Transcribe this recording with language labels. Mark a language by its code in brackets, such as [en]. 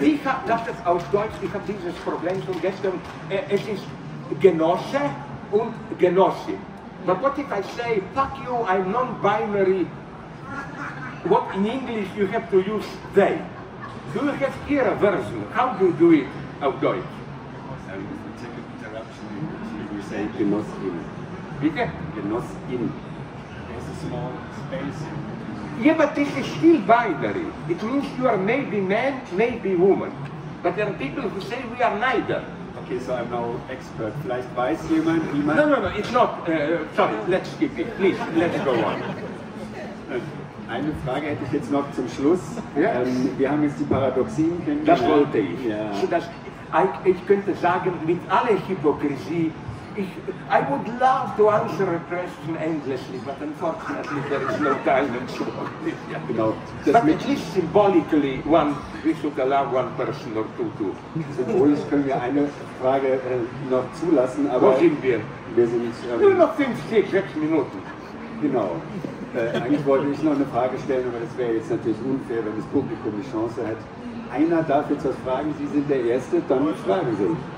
[de] Wie hat das auf Deutsch, ich habe dieses Problem schon gestern, es ist Genosse und Genossi. [en] But what if I say, fuck you, I'm non-binary? What in English you have to use they? Do you have here a version? How do you do it [de] auf Deutsch? [en] If we take an interruption, we say Genossin. [de] Bitte? Genossin. [en] There's a small space. Yeah, but this is still binary. It means you are maybe man, maybe woman. But there are people who say we are neither. Okay, so I'm now expert. [de] Vielleicht weiß jemand, wie man... [en] No, it's not. Sorry, let's skip it. Please, let's go on. [de] Eine Frage hätte ich jetzt noch zum Schluss. [en] Yes. [de] Wir haben jetzt die Paradoxien kennengelernt. Das wollte ich. Ja. So dass ich könnte sagen, mit aller Hypokrisie, [en] I would love to answer a question endlessly, but unfortunately there is no time and so on. Yeah. Genau. But at least symbolically, we should allow one person or two to. [de] Symbolisch können wir eine Frage noch zulassen, aber. Wo sind wir? Wir sind nicht. Nur noch 5, 6 Minuten. Genau. Eigentlich wollte ich noch eine Frage stellen, aber das wäre jetzt natürlich unfair, wenn das Publikum die Chance hat. Einer darf jetzt was fragen, Sie sind der Erste, dann fragen Sie.